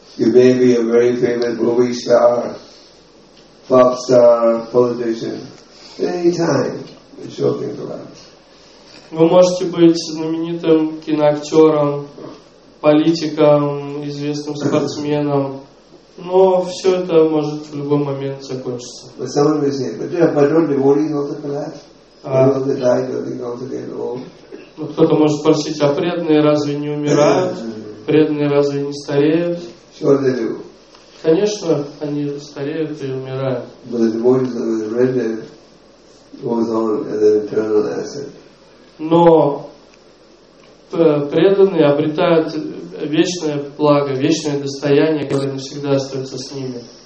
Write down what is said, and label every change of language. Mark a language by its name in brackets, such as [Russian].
[English] You may be a very famous movie star, pop star, politician. Any time, the show can collapse. [Russian] Вы можете быть знаменитым киноактером, политиком, известным спортсменом. Но все это может в любой момент закончиться. [English] But someone may say, but don't devotees also collapse? Don't they die? Don't they also get old? [Russian] Ну, кто-то может спросить: а преданные разве не умирают? Преданные разве не стареют? [English] Sure they do. [Russian] Конечно, они стареют и умирают. [English] But the devotees are rendered goes on as an eternal asset. [Russian] Но преданные обретают вечное благо, вечное достояние, которое навсегда остается с ними.